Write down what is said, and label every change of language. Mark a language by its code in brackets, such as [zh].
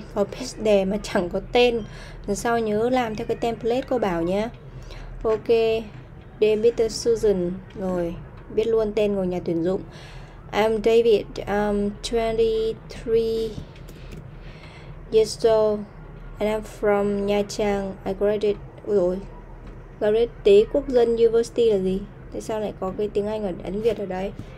[vi] Có page đề mà chẳng có tên. Lần sau nhớ làm theo cái template cô bảo nhé. Ok, [en] Dear Mr. Susan. [vi] Rồi, biết luôn tên của nhà tuyển dụng. [en] I'm David, I'm 23 years old, and I'm from Nha Trang. I graduated, [vi] ôi dồi, [en] graduate Tế Quốc Dân University [vi] là gì? Tại sao lại có cái tiếng Anh ở Ấn Việt ở đấy?